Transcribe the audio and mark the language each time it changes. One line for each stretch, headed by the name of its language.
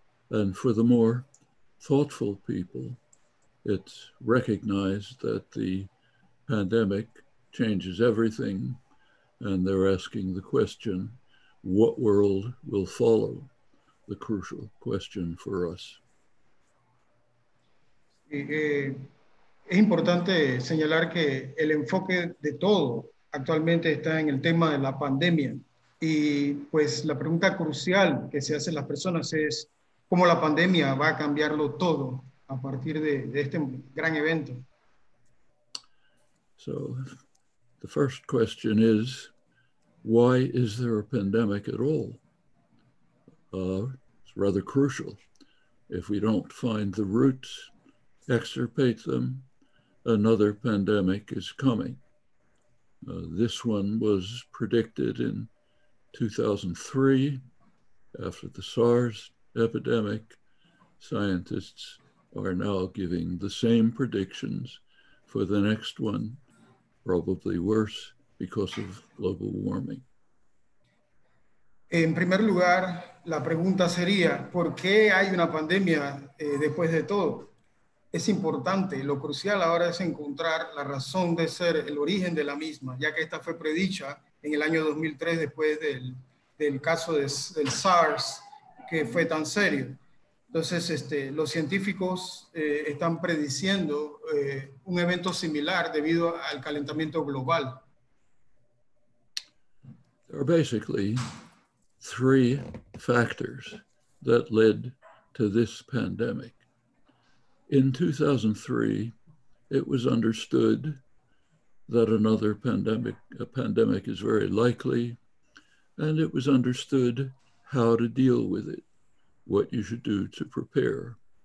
English: And for the more thoughtful people, it's recognized that the pandemic changes everything, and they're asking the question, what world will follow? The crucial question for us.
Spanish: Es importante señalar que el enfoque de todo actualmente está en el tema de la pandemia. Y pues la pregunta crucial que se hacen las personas es cómo la pandemia va a cambiarlo todo a partir de este gran evento.
English: So, the first question is, why is there a pandemic at all? It's rather crucial. If we don't find the roots, extirpate them, another pandemic is coming. This one was predicted in 2003 after the SARS epidemic. Scientists are now giving the same predictions for the next one, probably worse because of global warming.
Spanish: En primer lugar, la pregunta sería, ¿por qué hay una pandemia después de todo? Es importante, lo crucial ahora es encontrar la razón de ser, el origen de la misma, ya que esta fue predicha en el año 2003 después del caso del SARS, que fue tan serio. Entonces, los científicos están prediciendo un evento similar debido al calentamiento global.
English: There are basically three factors that led to this pandemic. In 2003, it was understood that another pandemic is very likely, and it was understood how to deal with it, what you should do to prepare.